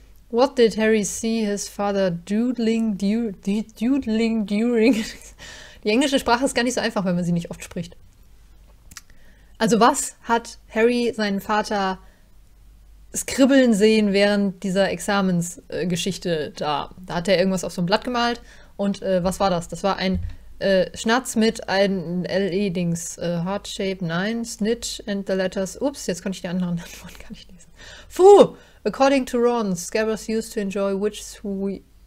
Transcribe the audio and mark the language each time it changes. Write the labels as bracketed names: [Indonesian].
[English] What did Harry see his father doodling during? [German] Die englische Sprache ist gar nicht so einfach, wenn man sie nicht oft spricht. Also was hat Harry seinen Vater skribbeln sehen während dieser Examensgeschichte da? Da hat er irgendwas auf so ein Blatt gemalt. Und was war das? Das war ein Schnatz mit einem LE-Dings. [English] Heart Shape, [German] nein, [English] Snitch and the Letters. [German] Ups, jetzt konnte ich die anderen Antworten gar nicht lesen. Puh! [English] According to Ron, Scabbers used to enjoy witch's who.